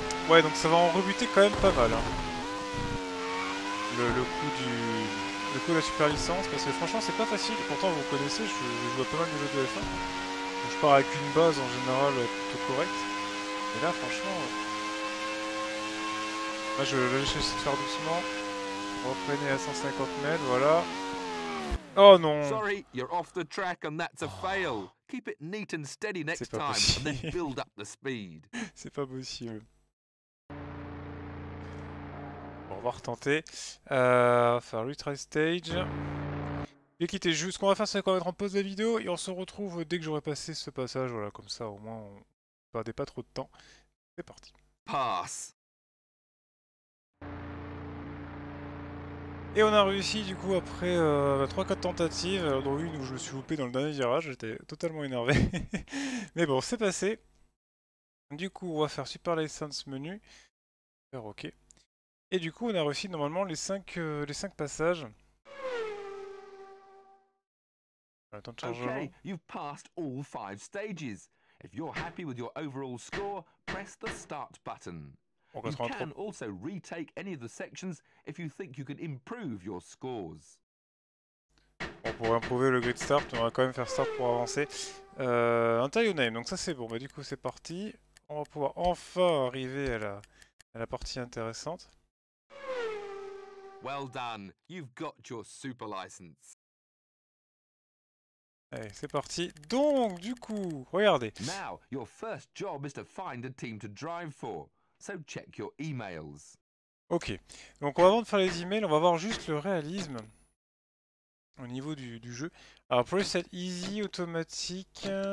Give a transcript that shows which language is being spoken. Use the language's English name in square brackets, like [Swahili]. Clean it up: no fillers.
[French] Ouais, donc ça va en rebuter quand même pas mal. Hein. Le coup de la super licence, parce que franchement c'est pas facile. Pourtant vous connaissez, je vois pas mal de jeux de F1. Donc, je pars avec une base en général plutôt correcte. Mais là franchement, là je vais essayer de faire doucement. Reprenez à 150 mètres, voilà. Oh non. [English] Sorry, you're off the track and that's a fail. Keep it neat and steady next time and then build up the speed. [French] C'est pas possible. Bon, on va retenter. Faire retry stage. J'ai quitté juste. Ce qu'on va faire, c'est qu'on va mettre en pause la vidéo et on se retrouve dès que j'aurai passé ce passage. Voilà, comme ça, au moins, on ne perdait pas trop de temps. C'est parti. [English] Pass. [French] Et on a réussi du coup après 3-4 tentatives, dont une où je me suis loupé dans le dernier virage, j'étais totalement énervé. Mais bon, c'est passé. Du coup, on va faire Super License Menu. Faire OK. Et du coup, on a réussi normalement les 5 passages. Attends de charger. [English] Ok, you've passed all 5 stages. If you're happy with your overall score, press the start button. You can also retake any of the sections if you think you can improve your scores. [French] On pourrait improver le grid start, mais on va quand même faire start pour avancer. [English] Enter your name, [French] donc ça c'est bon, bah du coup c'est parti. On va pouvoir enfin arriver à la partie intéressante. [English] Well done, you've got your super license. [French] Allez, c'est parti. Donc du coup, regardez. [English] Now, your first job is to find a team to drive for. So check your emails. [French] Ok, donc avant de faire les emails, on va voir juste le réalisme au niveau du jeu. Alors preset easy, automatique.